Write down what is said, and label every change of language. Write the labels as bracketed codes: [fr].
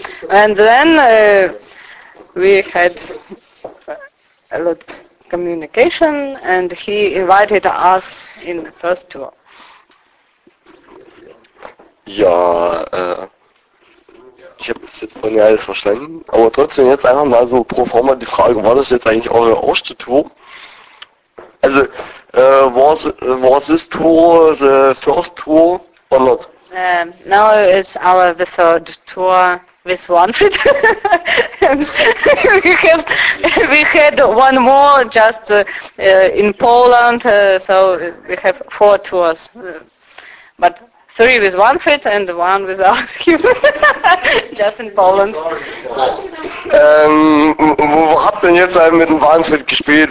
[en] And then we had a lot of communication, and he invited us in the first tour. [de] Ja, ich habe das jetzt von dir alles verstanden, aber trotzdem jetzt einfach mal so pro forma die Frage, war das jetzt eigentlich eure erste Tour? [en] Also, was this tour the first tour or not? Now it's our the third tour. With Manfred, we had one more just in Poland, so we have four tours, but three with Manfred and one without him, just in Poland. [de] Wo habt denn jetzt halt mit dem Manfred gespielt?